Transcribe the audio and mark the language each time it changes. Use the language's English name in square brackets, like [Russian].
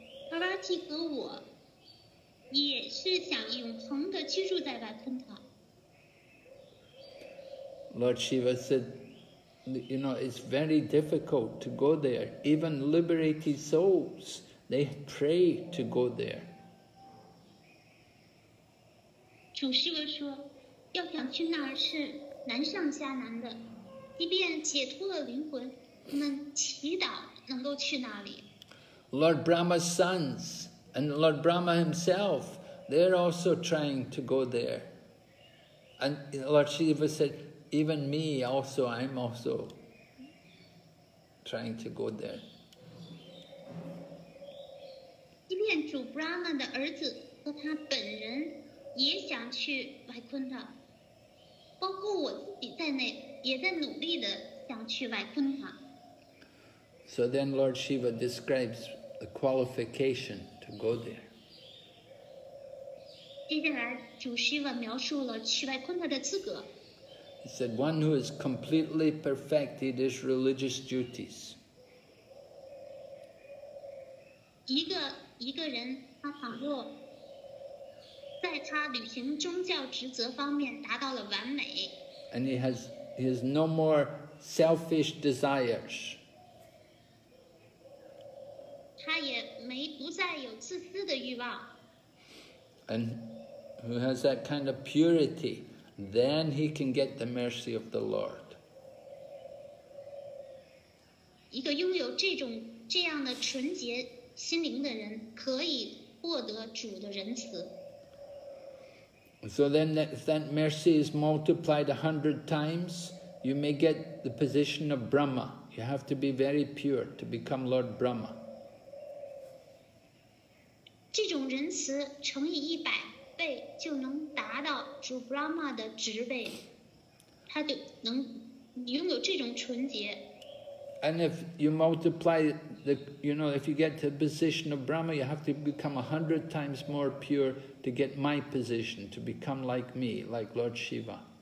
[Chinese] Parvati 和我也是想永恒地居住在Vaikuntha。 [English] Lord Shiva said, you know, it's very difficult to go there. Even liberated souls, they pray to go there. [Chinese] 主 Shiva 说，要想去那儿是难上加难的，即便解脱了灵魂，他们祈祷能够去那里。 [English] Lord Brahma's sons and Lord Brahma himself, they're also trying to go there. And Lord Shiva said, even me also, I'm also trying to go there. [Chinese] 即便主 Brahma 的儿子和他本人也想去 Vaikuntha, 包括我自己在内也在努力地想去 Vaikuntha. [English] So then Lord Shiva describes the qualification to go there. [Chinese] 接下来主 Shiva 描述了去外昆特的资格。 [English] He said, one who has completely perfected his religious duties. [Chinese] 一个人他倘若在他履行宗教职责方面达到了完美。 [English] And he has no more selfish desires. [Chinese] 他也没不再有自私的欲望。 [English] And who has that kind of purity, then he can get the mercy of the Lord. [Chinese] 一个拥有这样的纯洁心灵的人可以获得主的仁慈。 [English] So then if that mercy is multiplied 100 times, you may get the position of Brahma. You have to be very pure to become Lord Brahma. [Chinese] 这种仁慈乘以100倍就能达到主 Brahma 的职位，他就能拥有这种纯洁。 [English] And if you multiply the, you know, if you get to the position of Brahma, you have to become 100 times more pure to get my position, to become like me, like Lord Shiva.